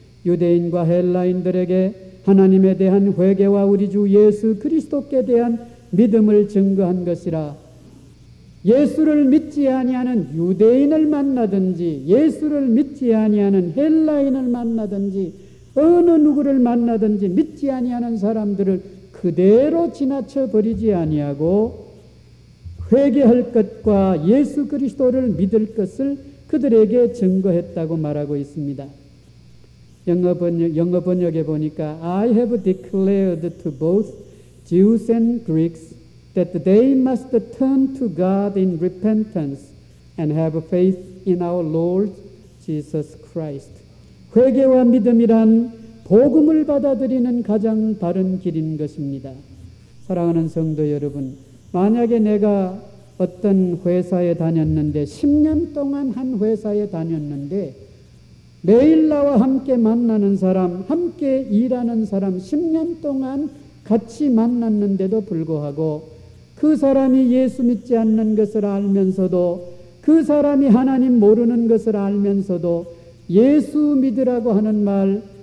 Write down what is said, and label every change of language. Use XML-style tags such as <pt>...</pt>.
<ko>유대인과 헬라인들에게 하나님에 대한 회개와 우리 주 예수 그리스도께 대한 믿음을 증거한 것이라, 예수를 믿지 아니하는 유대인을 만나든지 예수를 믿지 아니하는 헬라인을 만나든지 어느 누구를 만나든지 믿지 아니하는 사람들을 그대로 지나쳐 버리지 아니하고 회개할 것과 예수 그리스도를 믿을 것을 그들에게 증거했다고 말하고 있습니다. 영어 번역에 보니까</ko> <en>I have declared to both Jews and Greeks that they must turn to God in repentance and have faith in our Lord Jesus Christ.</en> <ko>회개와 믿음이란 복음을 받아들이는 가장 바른 길인 것입니다. 사랑하는 성도 여러분, 만약에 내가 어떤 회사에 다녔는데, 10년 동안 한 회사에 다녔는데 매일 나와 함께 만나는 사람, 함께 일하는 사람, 10년 동안 같이 만났는데도 불구하고 그 사람이 예수 믿지 않는 것을 알면서도, 그 사람이 하나님 모르는 것을 알면서도 예수 믿으라고 하는 말,</ko>